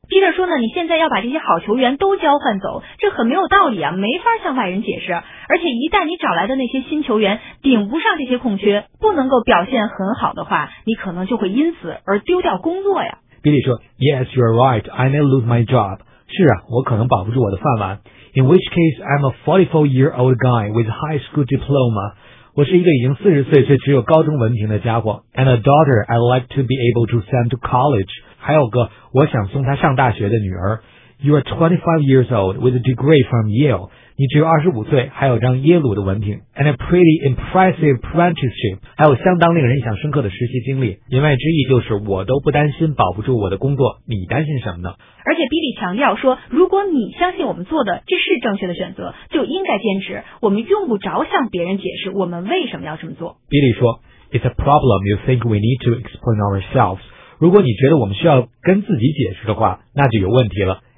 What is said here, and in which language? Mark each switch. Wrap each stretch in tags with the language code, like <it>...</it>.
<zh>Peter 说呢，你现在要把这些好球员都交换走，这很没有道理啊，没法向外人解释。而且一旦你找来的那些新球员顶不上这些空缺，不能够表现很好的话，你可能就会因此而丢掉工作呀。</zh> <en>Billy</en> <zh>说</zh> <en>,Yes, you're right, I may lose my job.</en> <zh>是啊，我可能保不住我的饭碗。</zh> <en>In which case, I'm a 44-year-old guy with high school diploma.</en> <zh>我是一个已经40岁却只有高中文凭的家伙。</zh> <en>And a daughter I'd like to be able to send to college.</en> <zh>还有个我想送她上大学的女儿。</zh> <en>You are 25 years old with a degree from Yale.</en> <zh>你只有25岁还有张耶鲁的文凭。</zh> <en>And a pretty impressive apprenticeship.</en> <zh>还有相当令人印象深刻的实习经历。言外之意就是我都不担心保不住我的工作，你担心什么呢？而且 Billy 强调说，如果你相信我们做的这是正确的选择，就应该坚持。我们用不着向别人解释我们为什么要这么做。</zh> <en>Billy</en> <zh>说，</zh> <en>It's a problem you think we need to explain ourselves.</en> <zh>如果你觉得我们需要跟自己解释的话，那就有问题了。</zh>